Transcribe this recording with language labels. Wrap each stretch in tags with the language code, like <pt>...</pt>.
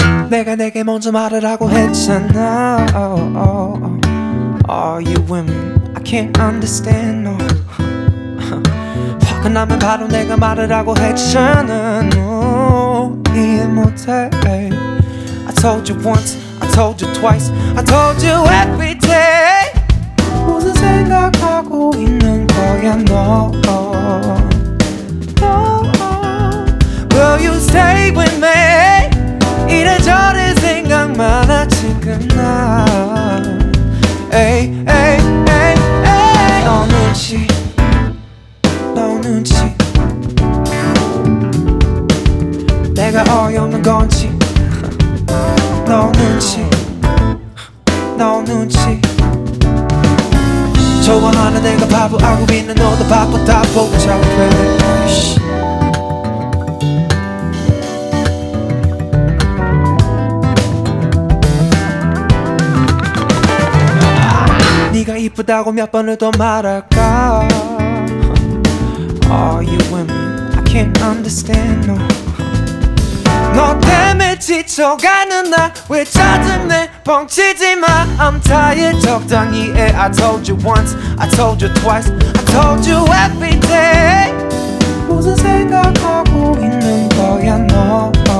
<ko>내가 내게 먼저 말을 하고 했잖아. Oh, oh, oh.</ko> <en>Oh, you women, I can't understand. No.</en> <ko>화가 나면 바로 내가 말을 하고 했잖아. No. 이해 못해.</ko> <en>I told you once, I told you twice, I told you every day.</en> <ko>무슨 생각하고 있는 거야, 너?</ko> <en>No. No. Will you stay with me?</en> <ko>이래저래 생각 많아 지금 나. Ay, ay, ay, ay. 너 눈치, 너 눈치. 내가 어이없는 건지. 너 눈치, 너 눈치. 좋아하는 내가 바보 알고 있는 너도 바보 다 복잡해. 네가 이쁘다고 몇 번을 더 말할까.</ko> <en>Oh, you women, I can't understand. No.</en> <ko>너 때문에 지쳐가는 나 왜 짜증내 뻥치지 마.</ko> <en>I'm tired</en> <ko>적당히 해.</ko> <en>I told you once, I told you twice, I told you every day.</en> <ko>무슨 생각하고 있는 거야 너.</ko>